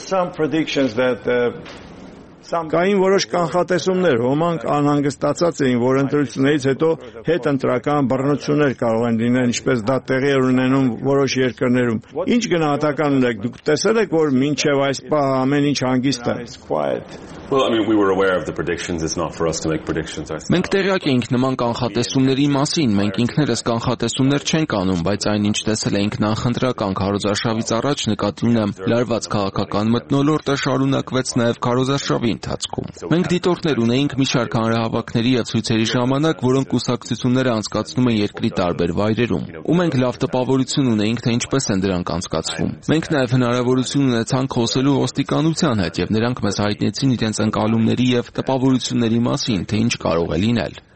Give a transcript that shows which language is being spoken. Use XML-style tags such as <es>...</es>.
<hy>Կային որոշ կանխատեսումներ, ոմանք անհանգստացած էին, որ ընտրություններից հետո հետ ընտրական բռնություններ կարող են լինել, ինչպես դա տեղի էր ունենում որոշ երկրներում։ Ինչ գնահատական ունեք, դուք տեսել եք, որ մինչև այս պահ ամեն ինչ հանգիստ է։</hy> <en>Well, I mean, we were aware of the predictions. It's not for us to make predictions ourselves.</en> <hy>Մենք տեղյակ էինք նման կանխատեսումների մասին, մենք ինքներս կանխատեսումներ չենք անում, բայց այնինչ տեսել էինք նախընտրական քարոզարշավից առաջ, նկատի ունեմ, լարված քաղաքական մթնոլորտը շարունակվեց նաև քարոզարշավի ընթացքում։ Մենք դիտորդներ ունեինք մի շարք հանրահավաքների եւ ցույցերի ժամանակ, որոնք կուսակցությունները անցկացնում են երկրի տարբեր վայրերում, ու մենք լավ տպավորություն ունեինք, թե ինչպես են դրանք անցկացվում։ Մենք նաև հնարավորություն ունեցան խոսելու ոստիկանության հետ եւ նրանք մեզ հայտնեցին ընկալումների եւ տպավորությունների մասին, թե ինչ կարող է լինել։</hy>